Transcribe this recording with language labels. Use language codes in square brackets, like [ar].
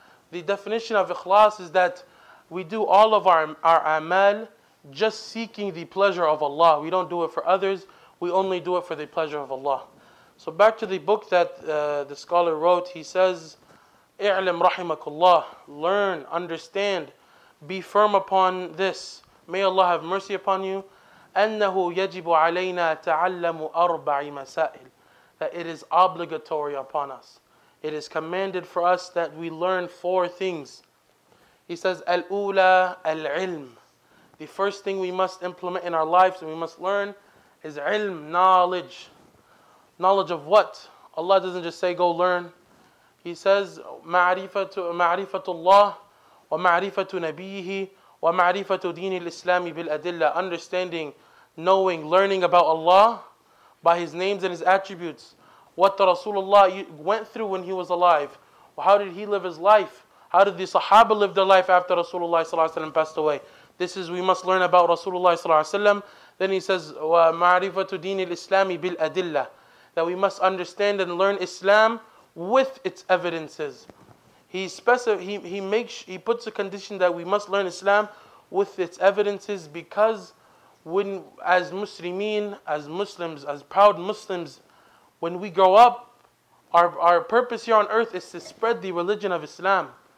[en] The definition of ikhlas is that we do all of our a'mal just seeking the pleasure of Allah. We don't do it for others, we only do it for the pleasure of Allah. So back to the book that the scholar wrote, he says, I'lam rahimakullah, learn, understand, be firm upon this. May Allah have mercy upon you. [ar] أنه يجب علينا تعلم أربع مسائل. [en] That it is obligatory upon us. It is commanded for us that we learn four things. He says, [ar] الأولى العلم. [en] The first thing we must implement in our lives and we must learn is علم, knowledge. Knowledge of what? Allah doesn't just say go learn. He says, [ar] معرفة الله ومعرفة نبيه ومعرفة دين الإسلام بالأدلة. [en] Understanding, knowing, learning about Allah by His names and His attributes. What the Rasulullah went through when he was alive. How did he live his life? How did the Sahaba live their life after Rasulullah ﷺ passed away? This is, we must learn about Rasulullah ﷺ. Then he says, [ar] ومعرفة دين الإسلام بالأدلة. [en] That we must understand and learn Islam with its evidences. He puts a condition that we must learn Islam with its evidences, because when, as Muslimin, as Muslims, as proud Muslims, when we grow up, our purpose here on earth is to spread the religion of Islam.